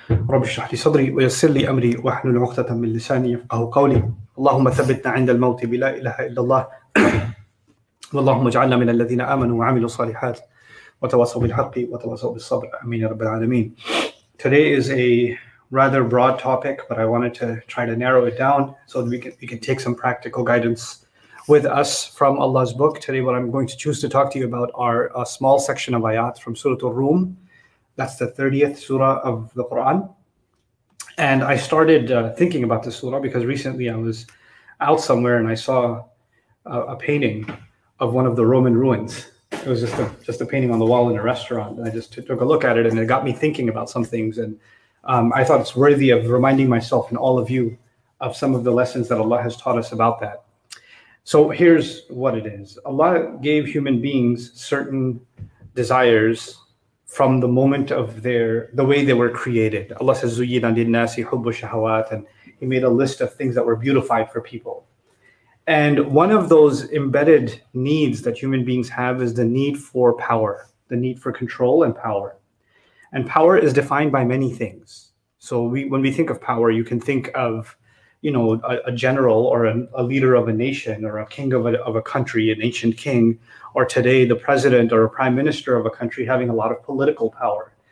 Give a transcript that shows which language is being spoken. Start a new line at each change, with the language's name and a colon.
Arabic: رب اشرح لي صدري ويسر لي أمري واحلل عقدة من لساني يفقهوا قولي اللهم ثبتنا عند الموت بلا إله إلا الله واللهم اجعلنا من الذين آمنوا وعملوا الصالحات وتواصوا بالحق وتواصوا بالصبر آمين يا رب العالمين.
English: Today is a rather broad topic, but I wanted to try to narrow it down so that we can take some practical guidance with us from Allah's book. Today, what I'm going to choose to talk to you about are a small section of ayat from Surah Ar-Rum. That's the 30th surah of the Quran. And I started thinking about this surah because recently I was out somewhere and I saw a painting of one of the Roman ruins. It was just a painting on the wall in a restaurant. And I just took a look at it and it got me thinking about some things. And I thought it's worthy of reminding myself and all of you of some of the lessons that Allah has taught us about that. So here's what it is. Allah gave human beings certain desires from the moment of the way they were created. Allah says,
Arabic: زُيِّنَ لِلنَّاسِ حُبُّ الشَّهَوَاتِ.
English: And He made a list of things that were beautified for people. And one of those embedded needs that human beings have is the need for power, the need for control and power. And power is defined by many things. So when we think of power, you can think of, you know, a general or a leader of a nation or a king of a country, an ancient king, or today the president or a prime minister of a country having a lot of political power.